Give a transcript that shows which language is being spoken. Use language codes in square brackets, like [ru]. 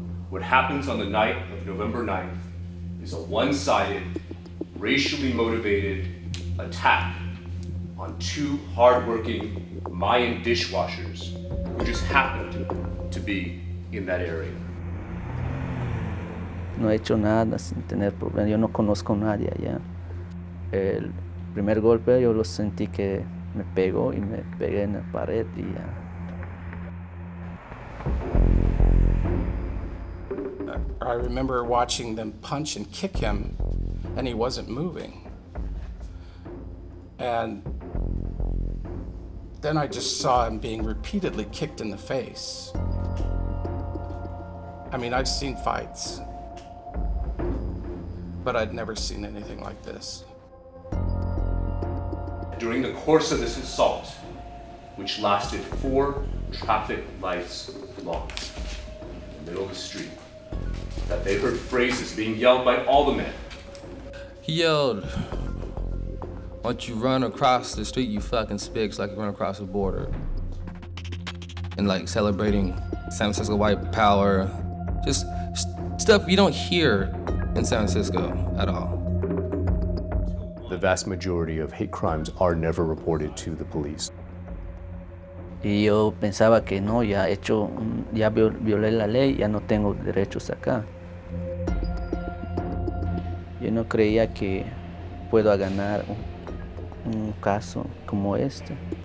[en] What happens on the night of November 9th is a one-sided, racially motivated attack on two hardworking Mayan dishwashers who just happened to be in that area. [es] No he hecho nada sin tener problemas. Yo no conozco a nadie allá. El primer golpe yo lo sentí que me pegó y me pegué en la pared y ya. [en] I remember watching them punch and kick him, and he wasn't moving. And then I just saw him being repeatedly kicked in the face. I mean, I've seen fights, but I'd never seen anything like this. During the course of this assault, which lasted four traffic lights long, in the middle of the street, that they heard phrases being yelled by all the men. He yelled, "Once you run across the street, you fucking spicks, like you run across the border." And like celebrating San Francisco white power. Just stuff you don't hear in San Francisco at all. The vast majority of hate crimes are never reported to the police. [es] Y yo pensaba que no, ya hecho, ya violé la ley, ya no tengo derechos acá. Yo no creía que puedo ganar un caso como este.